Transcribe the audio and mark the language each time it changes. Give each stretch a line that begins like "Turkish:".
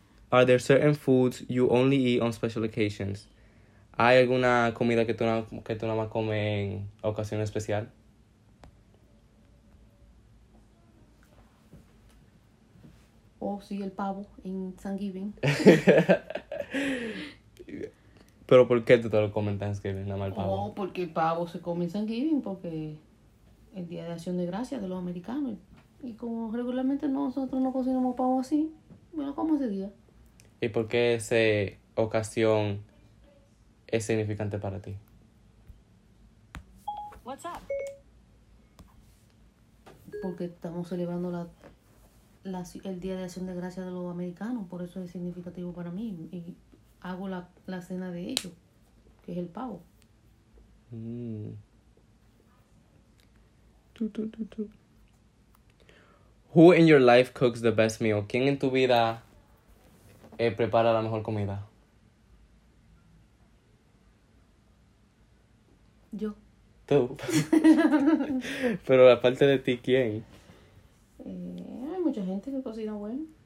English: Are there certain foods you only eat on special occasions?
Spanish: ¿Hay alguna comida que tú nada más comes en ocasión especial? Oh, sí, el pavo en Thanksgiving. ¿Pero por qué tú te lo comes en Thanksgiving, nada más el pavo? Oh, porque el pavo se come en Thanksgiving, porque el Día de Acción de Gracias de los americanos. Y como regularmente nosotros no cocinamos pavo así, me lo como ese día. ¿Y por qué esa ocasión es significante para ti?
English: What's up?
Spanish: Porque estamos celebrando el Día de Acción de Gracias de los americanos. Por eso es significativo para mí. Y hago la cena de ellos, que es el pavo.
English: Who in your life cooks the best meal?
Spanish: ¿Quién en tu vida prepara la mejor comida? Yo. ¿Tú? Pero aparte de ti, ¿quién? Hay mucha gente que cocina bueno.